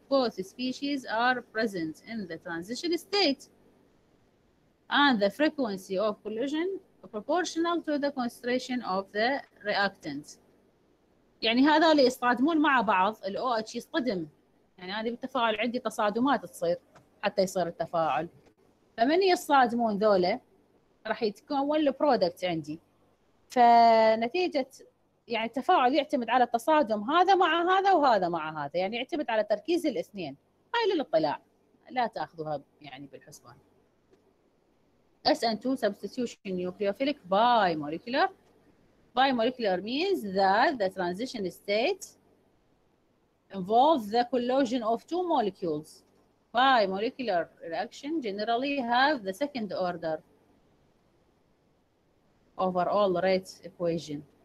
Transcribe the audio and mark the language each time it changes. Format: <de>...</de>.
<en>Both species are present in the transition state and the frequency of collision proportional to the concentration of the reactant.</en> <ar>يعني هذا اللي يصطدمون مع بعض الـ OH يصطدم. يعني هذه بالتفاعل عندي تصادمات تصير حتى يصير التفاعل. فمن يصطدمون ذولا راح يتكون البرودكت عندي. فنتيجة يعني التفاعل يعتمد على التصادم هذا مع هذا وهذا مع هذا يعني يعتمد على تركيز الاثنين. هاي للاطلاع لا تأخذوها يعني بالحسبان.</ar> <en>SN2 substitution nucleophilic bimolecular. Bimolecular means that the transition state involves the collision of two molecules. Bimolecular reaction generally have the second order overall rate equation.</en>